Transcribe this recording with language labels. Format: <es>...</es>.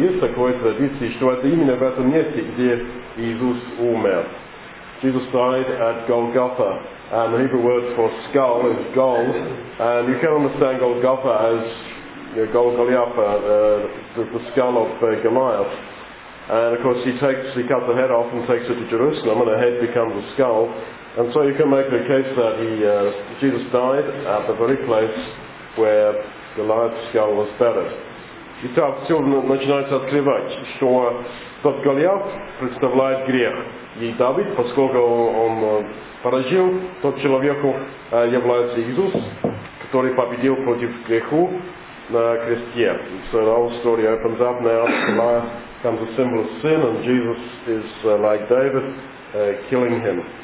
<ru>Есть такая традиция, что это именно в этом месте, где Иисус умер.</ru> <en>Jesus died at Golgotha, and the Hebrew word for skull is gol, and you can understand Golgotha as Golgotha, the skull of Goliath. And of course he cuts the head off and takes it to Jerusalem, and the head becomes a skull. And so you can make the case that Jesus died at the very place where Goliath's skull was buried.</en> <ru>Итак, все начинается открывать, что тот Голиаф представляет грех. И Давид, поскольку он поразил, тот человеку является Иисус, который победил против греху на кресте.</ru> <en>So the whole story opens up now. Goliath comes a symbol of sin, and Jesus is like David, killing him.</en>